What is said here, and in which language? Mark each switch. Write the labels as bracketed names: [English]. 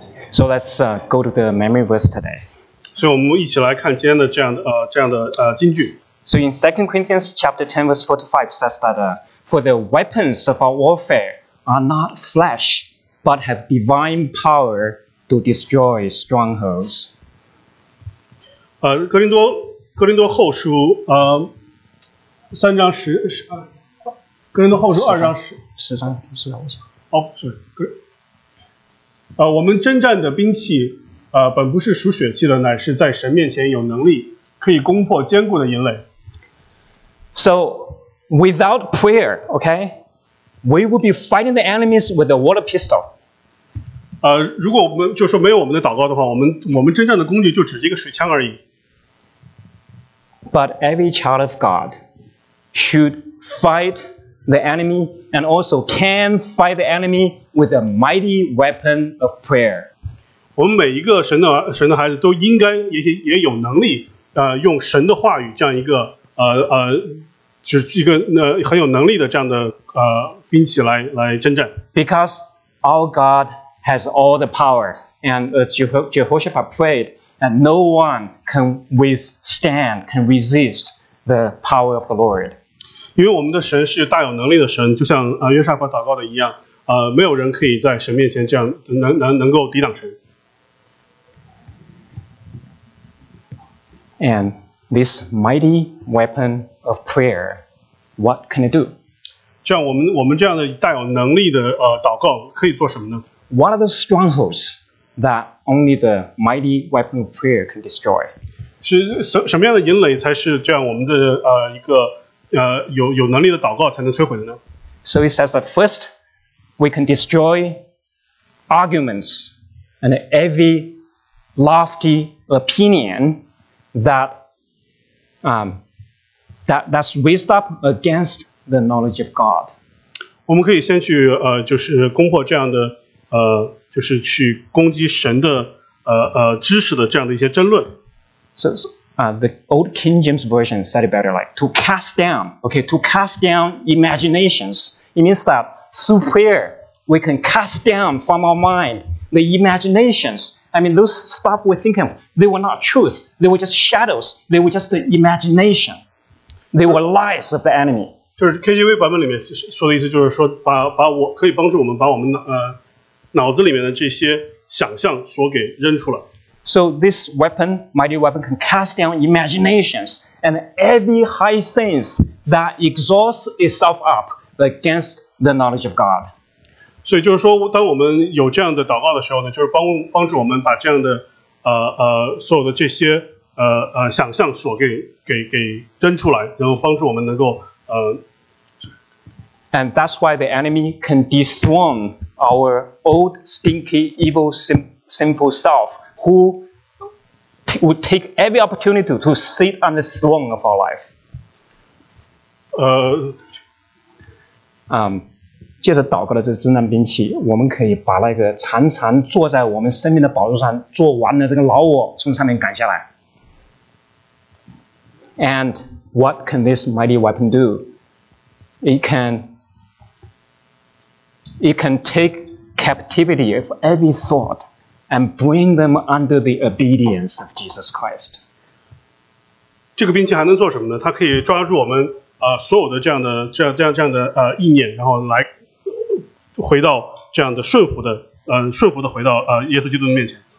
[English] So let's go to the memory verse today. [Chinese] 所以我们一起来看今天的这样的金句。 [English] So in 2 Corinthians chapter 10 verse 4 to 5 says that for the weapons of our warfare are not flesh, but have divine power to destroy strongholds. [Chinese] 我们征战的兵器本不是属血气的，乃是在神面前有能力可以攻破坚固的营垒。 [English] So without prayer, okay, we will be fighting the enemies with a water pistol. [Chinese] 如果我们就说没有我们的祷告的话，我们征战的工具就只是一个水枪而已。 [English] But every child of God should fight the enemy and also can fight the enemy with a mighty weapon of prayer. [Chinese] 我们每一个神的孩子都应该也有能力用神的话语这样一个就是一个很有能力的这样的兵器来征战。 [English] Because our God has all the power, and as Jehoshaphat prayed, that no one can withstand, can resist the power of the Lord. [Chinese] 因为我们的神是大有能力的神，就像约沙法祷告的一样，没有人可以在神面前这样能够抵挡神。 [English] And this mighty weapon of prayer, what can it do? [Chinese] 这样我们这样的大有能力的祷告可以做什么呢？ [English] What are the strongholds that only the mighty weapon of prayer can destroy? [Chinese] 是什么样的营垒才是这样我们的一个有能力的祷告才能摧毁的呢？ [English] So he says that first, we can destroy arguments and every lofty opinion that's raised up against the knowledge of God. [Chinese] 我们可以先去就是攻破这样的就是去攻击神的知识的这样的一些争论。 [English] The old King James Version said it better, like, to cast down, okay, to cast down imaginations. It means that through prayer, we can cast down from our mind the imaginations. I mean, those stuff we're thinking of, they were not truth. They were just shadows. They were just the imagination. They were lies of the enemy. [Chinese] 就是 KJV 版本里面说的意思就是说把我可以帮助我们把我们脑子里面的这些想象所给扔出来。 [English] So this weapon, mighty weapon, can cast down imaginations and every high things that exhausts itself up against the knowledge of God. [Chinese] 所以就是说，当我们有这样的祷告的时候呢，就是帮助我们把这样的所有的这些想象所给扔出来，然后帮助我们能够 [English] And that's why the enemy can dethrone our old, stinky, evil, sinful self, who would take every opportunity to sit on the throne of our life. [Chinese] 借着祷告的这征战兵器，我们可以把那个常常坐在我们生命的宝座上坐完的这个老我从上面赶下来。 [English] And what can this mighty weapon do? It can take captivity of every thought and bring them under the obedience of Jesus Christ. [Chinese] 这个兵器还能做什么呢？它可以抓住我们所有的这样的意念，然后来回到这样的顺服的回到耶稣基督的面前。